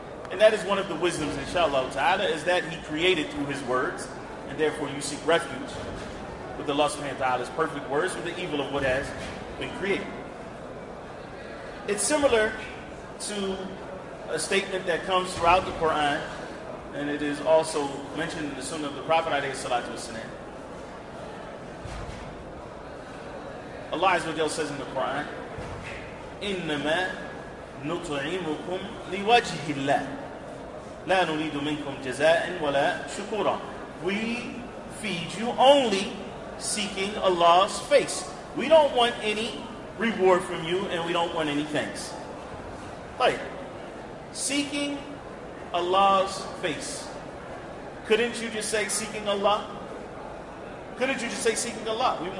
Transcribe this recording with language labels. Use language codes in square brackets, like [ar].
[en] And that is one of the wisdoms, inshallah ta'ala, is that He created through His words, and therefore you seek refuge with Allah subhanahu wa ta'ala's perfect words from the evil of what has been created. It's similar to a statement that comes throughout the Quran. And it is also mentioned in the Sunnah of the Prophet عليه الصلاة والسلام. [ar] Allah عز وجل [en] says in the Quran, [ar] إِنَّمَا نُطْعِمُكُمْ لِوَجْهِ اللَّهِ. لا نريد منكم جزاء ولا شكورا. [en] We feed you only seeking Allah's face. We don't want any reward from you and we don't want any thanks. طيب. Seeking Allah's face. Couldn't you just say seeking Allah? Couldn't you just say seeking Allah?